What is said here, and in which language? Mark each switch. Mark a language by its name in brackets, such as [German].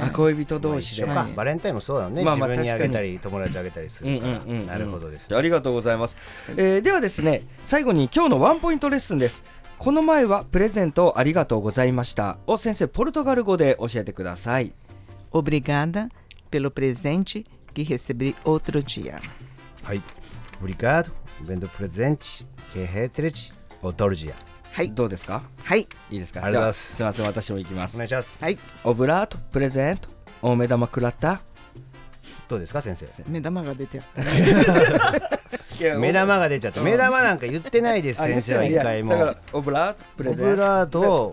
[Japanese] あ、恋人同士で、まあ、はい、バレンタインもそうだよね、まあ、まあ自分にあげたり友達あげたりするから、うんうんうん、なるほどですね。ありがとうございます。ではですね、最後に今日のワンポイントレッスンです。この前はプレゼントありがとうございましたを先生ポルトガル語で教えてください。 [Portuguese] Obrigada pelo presente que recebi outro dia。はい、 Obrigado pelo presente que recebi outro dia。 [Japanese] はい、どうですか？はい、いいですか？ありがとうございます。すみません、私も行きます。お願いします。はい、オブラートプレゼント、お目玉くらった。どうですか、先生？目玉が出ちゃった。目玉が出ちゃった。目玉なんか言ってないです、先生は一回も。だからオブラートプレゼント。オブラート